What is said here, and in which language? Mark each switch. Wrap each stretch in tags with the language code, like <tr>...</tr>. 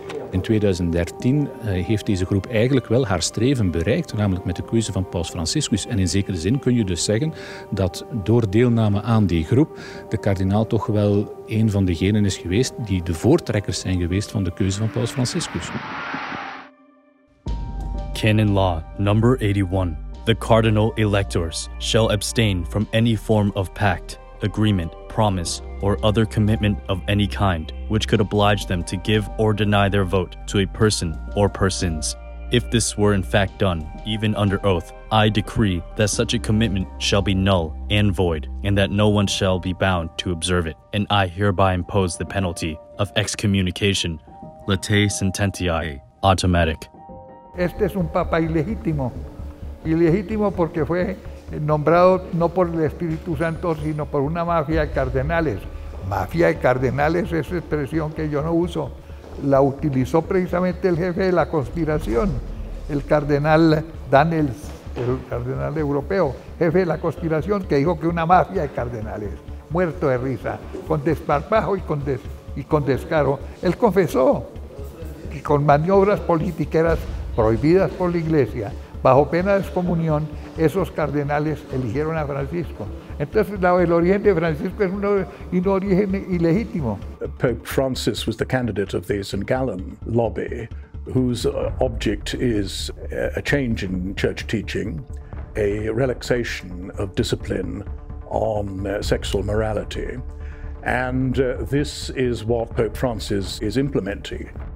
<nl>In 2013 heeft deze groep eigenlijk wel haar streven bereikt, namelijk met de keuze van paus Franciscus. En in zekere zin kun je dus zeggen dat door deelname aan die groep de kardinaal toch wel een van degenen is geweest die de voortrekkers zijn geweest van de keuze van paus Franciscus.</nl> <en>Canon Law number 81. The cardinal electors shall abstain from any form of pact, agreement, promise, or other commitment of any kind, which could oblige them to give or deny their vote to a person or persons. If this were in fact done, even under oath, I decree that such a commitment shall be null and void, and that no one shall be bound to observe it, and I hereby impose the penalty of excommunication, late sententiae, automatic.</en> <es>Este es un papa ilegítimo. Ilegítimo porque fue nombrado no por el Espíritu Santo, sino por una mafia de cardenales. Mafia de cardenales es expresión que yo no uso. La utilizó precisamente el jefe de la conspiración, el cardenal Daniels, el cardenal europeo, jefe de la conspiración, que dijo que una mafia de cardenales, muerto de risa, con desparpajo y con descaro. Él confesó que con maniobras politiqueras prohibidas por la Iglesia, bajo pena de excomunión, esos cardenales eligieron a Francisco. Entonces, el origen de Francisco es un origen ilegítimo.</es> <en>Pope Francis was the candidate of the St. Gallen lobby, whose object is a change in church teaching, a relaxation of discipline on sexual morality. And this is what Pope Francis is implementing.</en>